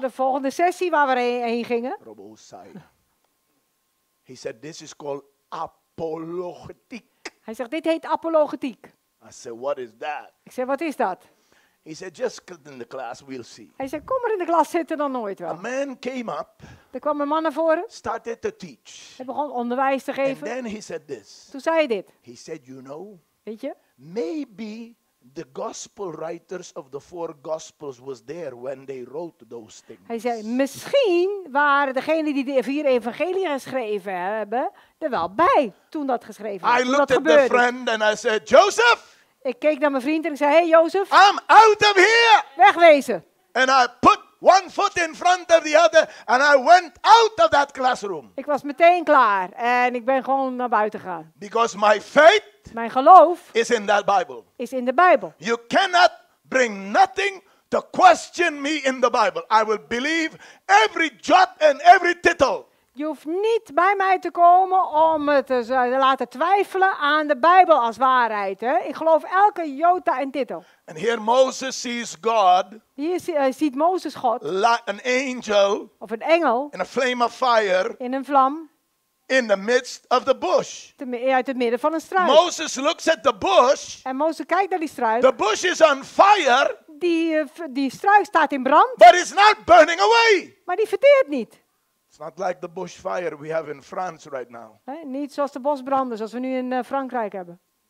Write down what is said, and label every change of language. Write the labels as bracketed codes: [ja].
[nl] de volgende sessie waar we heen gingen. Robo zei. [en] He said this is called apologetiek. [nl] Hij zegt, dit heet apologetiek. [en] I said, what is that? [nl] Ik zeg, wat is dat? [en] He said, just get in the class, we'll see. [nl] Hij zegt, kom maar in de klas zitten, dan nooit wel. [en] A man came up. [nl] Er kwam een man naar voren. [en] Started to teach. [nl] Hij begon onderwijs te geven. [en] And then he said this. [nl] Toen zei hij dit. [en] He said, you know. [nl] Weet je? [en] Maybe the gospel writers of the four gospels was there when they wrote those things. [nl] Hij zei, misschien waren degenen die de vier evangelieën geschreven hebben er wel bij toen dat geschreven werd. [en] I looked at the friend and I said, Joseph. [nl] Ik keek naar mijn vriend en ik zei, hey Joseph. [en] I'm out of here. [nl] Wegwezen. [en] And I put one foot in front of the other and I went out of that classroom. [nl] Ik was meteen klaar en ik ben gewoon naar buiten gegaan. [en] Because my faith. [nl] Mijn geloof [en] is in that Bible. [nl] Is in de Bijbel. [en] You cannot bring nothing to question me in the Bible. I will believe every jot and every tittle. [nl] Je hoeft niet bij mij te komen om me te laten twijfelen aan de Bijbel als waarheid. Hè? Ik geloof elke jota en tittel. [en] And here Moses sees God. [nl] Hier ziet Mozes God. [en] Like an angel. [nl] Of een engel. [en] In a flame of fire. [nl] In een vlam. [en] In the midst of the bush. [nl] Uit het midden van een struik. [en] Moses looks at the bush. [nl] En Mozes kijkt naar die struik. [en] The bush is on fire. [nl] Die struik staat in brand. [en] But it's not burning away. [nl] Maar die verteert niet. [en] It's not like the bush fire we have in France right now. [nl] Niet zoals de bosbranden zoals we nu in Frankrijk hebben.